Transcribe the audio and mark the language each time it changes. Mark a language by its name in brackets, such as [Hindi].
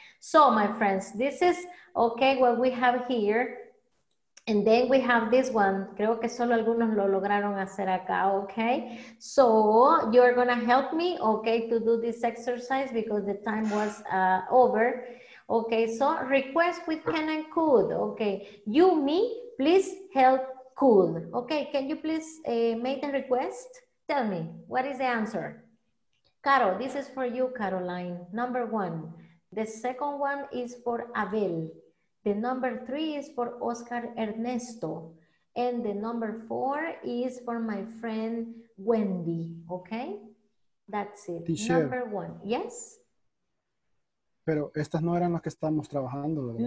[English] So, my friends, this is, okay, what we have here. And then we have this one. [Spanish] Creo que solo algunos lo lograron hacer acá, okay? [English] So, you're gonna help me, okay, to do this exercise because the time was over. Okay, so request with can and could, okay? You, me, please help. Cool. Okay, can you please make the request? Tell me, what is the answer? Caro, this is for you, Caroline. Number one. The second one is for Abel. The number three is for Oscar Ernesto. And the number four is for my friend Wendy. Okay? That's it. T-shirt. Number one. Yes? [Spanish] Pero estas no eran las que estábamos trabajando, ¿verdad?